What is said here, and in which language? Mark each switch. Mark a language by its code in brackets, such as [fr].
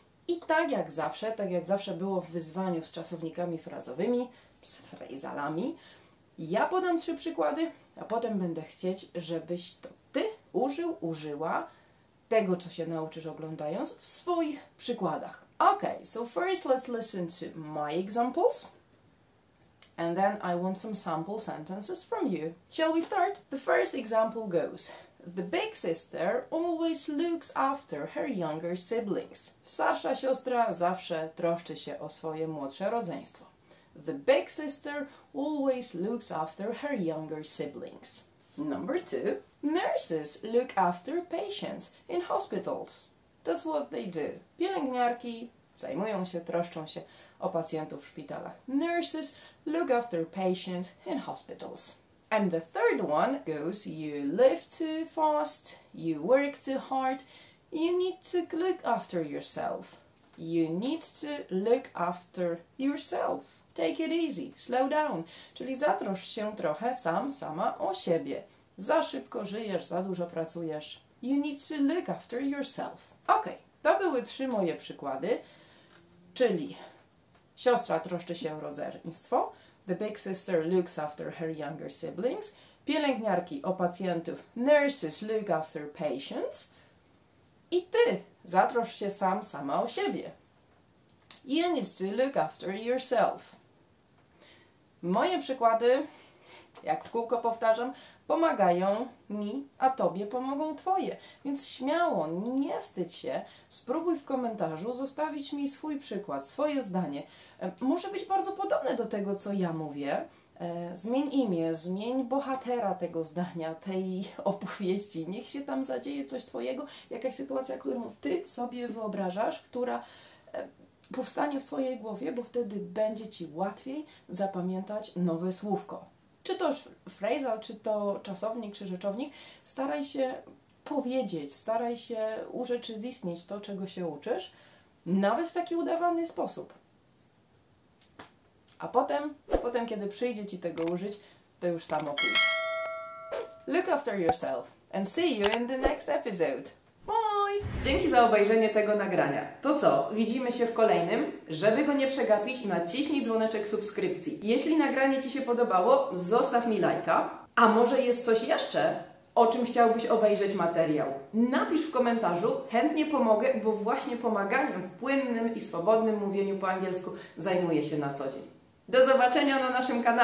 [pl] I tak jak zawsze było w wyzwaniu z czasownikami frazowymi, z phrasalami, ja podam trzy przykłady, a potem będę chcieć, żebyś to Ty użył, użyła tego, co się nauczysz oglądając, w swoich przykładach. [en] Ok, so first let's listen to my examples. And then I want some sample sentences from you. Shall we start? The first example goes. The big sister always looks after her younger siblings. [pl] Starsza siostra zawsze troszczy się o swoje młodsze rodzeństwo. [en] The big sister always looks after her younger siblings. Number two, nurses look after patients in hospitals. That's what they do. [pl] Pielęgniarki zajmują się, troszczą się o pacjentów w szpitalach. [en] Nurses look after patients in hospitals. And the third one goes, you live too fast, you work too hard, you need to look after yourself. You need to look after yourself. Take it easy, slow down. [pl] Czyli zatroszcz się trochę sam, sama o siebie. Za szybko żyjesz, za dużo pracujesz. [en] You need to look after yourself. [pl] Ok, to były trzy moje przykłady. Czyli siostra troszczy się o rodzeństwo. [en] The big sister looks after her younger siblings. [pl] Pielęgniarki o pacjentów. [en] Nurses look after patients. [pl] I ty zatroszcz się sam, sama o siebie. [en] You need to look after yourself. [pl] Moje przykłady, jak w kółko powtarzam, pomagają mi, a Tobie pomogą Twoje. Więc śmiało, nie wstydź się, spróbuj w komentarzu zostawić mi swój przykład, swoje zdanie. Może być bardzo podobne do tego, co ja mówię. Zmień imię, zmień bohatera tego zdania, tej opowieści. Niech się tam zadzieje coś Twojego, jakaś sytuacja, którą Ty sobie wyobrażasz, która powstanie w Twojej głowie, bo wtedy będzie Ci łatwiej zapamiętać nowe słówko. Czy to phrasal, czy to czasownik, czy rzeczownik, staraj się powiedzieć, staraj się urzeczywistnić to, czego się uczysz, nawet w taki udawany sposób. A potem, kiedy przyjdzie Ci tego użyć, to już samo pójdzie. [en] Look after yourself and see you in the next episode. Bye! [pl] Dzięki za obejrzenie tego nagrania. To co? Widzimy się w kolejnym. Żeby go nie przegapić, naciśnij dzwoneczek subskrypcji. Jeśli nagranie Ci się podobało, zostaw mi lajka. A może jest coś jeszcze, o czym chciałbyś obejrzeć materiał? Napisz w komentarzu, chętnie pomogę, bo właśnie pomaganiem w płynnym i swobodnym mówieniu po angielsku zajmuję się na co dzień. Do zobaczenia na naszym kanale.